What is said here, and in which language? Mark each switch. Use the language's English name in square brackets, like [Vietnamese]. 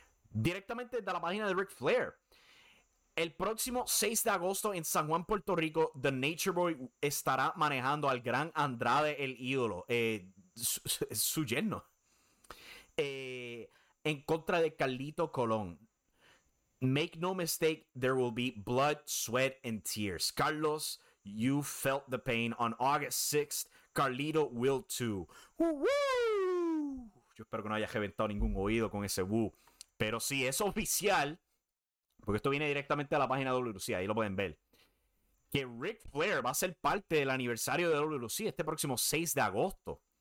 [Spanish] Directamente de la página de Ric Flair. El próximo 6 de agosto en San Juan, Puerto Rico, The Nature Boy estará manejando al gran Andrade el Ídolo. Su yerno. En contra de Carlito Colón. [English] Make no mistake, there will be blood, sweat, and tears. Carlos, you felt the pain on August 6th. Carlito will too. Woo-woo! [Spanish] Yo espero que no haya reventado ningún oído con ese woo. Pero sí, es oficial, porque esto viene directamente a la página de WLC, ahí lo pueden ver, que Ric Flair va a ser parte del aniversario de WLC este próximo 6 de agosto.